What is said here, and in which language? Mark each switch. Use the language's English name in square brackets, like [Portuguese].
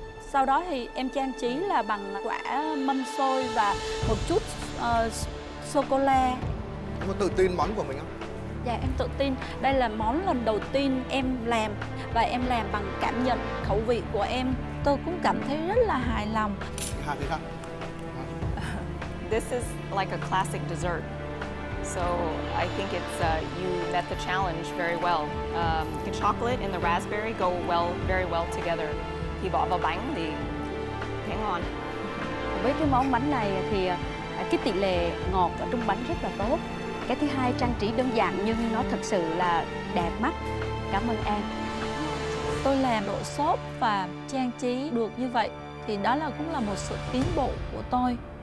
[Vietnamese] Sau đó thì em trang trí là bằng quả mâm xôi và một chút sô-cô-la. Em có tự tin món của mình không? Dạ em tự tin, đây là món lần đầu tiên em làm và em làm bằng cảm nhận khẩu vị của em. Tôi cũng cảm thấy rất là hài lòng. [English] This is like a classic dessert. So I think it's you met the challenge very well. The chocolate and the raspberry go well, very well together. [Vietnamese] Thì bỏ vào bánh thì thấy ngon. Với cái món bánh này thì cái tỷ lệ ngọt ở trong bánh rất là tốt. Cái thứ hai trang trí đơn giản nhưng nó thật sự là đẹp mắt. Cảm ơn em. Tôi làm độ xốp và trang trí được như vậy thì đó là cũng là một sự tiến bộ của tôi.